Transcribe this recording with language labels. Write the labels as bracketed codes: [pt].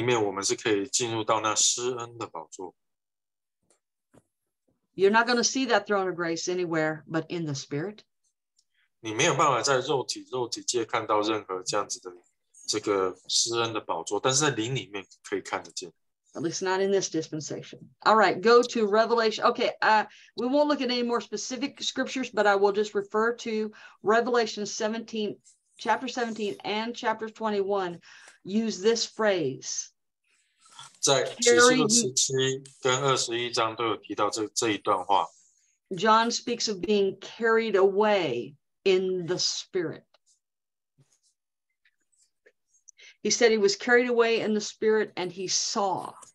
[zh] 在启示录里面，约翰有看到几个宝座，在灵里面，我们是可以进入到那施恩的宝座。 [en] You're not going to see that throne of grace anywhere but in the Spirit. [zh] 你没有办法在肉体界看到任何这样子的这个施恩的宝座，但是在灵里面可以看得见。 [en] At least not in this dispensation. All right, go to Revelation. Okay, we won't look at any more specific scriptures, but I will just refer to Revelation 17, chapter 17 and chapter 21. Use this phrase. [zh] 在启示录17跟21章都有提到这一段话. [en] John speaks of being carried away in the Spirit. He said he was carried away in the Spirit and he saw.